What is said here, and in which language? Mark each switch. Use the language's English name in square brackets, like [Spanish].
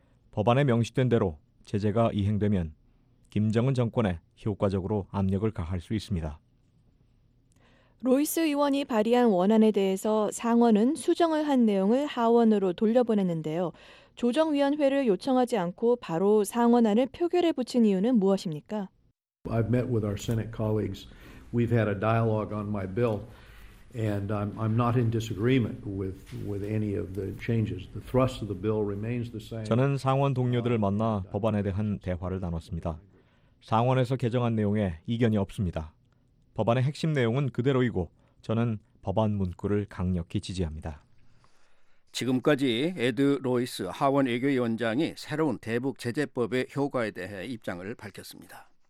[Korean] 법안에 명시된 대로 제재가 이행되면 김정은 정권에 효과적으로 압력을 가할 수 있습니다. 로이스 의원이 발의한 원안에 대해서 상원은 수정을 한 내용을 하원으로 돌려보냈는데요. 조정위원회를 요청하지 않고 바로 상원안을 표결에 붙인 이유는 무엇입니까? [English] I've met with our Senate colleagues. We've had a dialogue on my bill, and I'm not in disagreement with any of the changes. The thrust of the bill remains the same. [Korean] 저는 상원 동료들을 만나 법안에 대한 대화를 나눴습니다. 상원에서 개정한 내용에 이견이 없습니다. 법안의 핵심 내용은 그대로이고 저는 법안 문구를 강력히 지지합니다. 지금까지 에드 로이스 하원 외교위원장이 새로운 대북 제재법의 효과에 대해 입장을 밝혔습니다.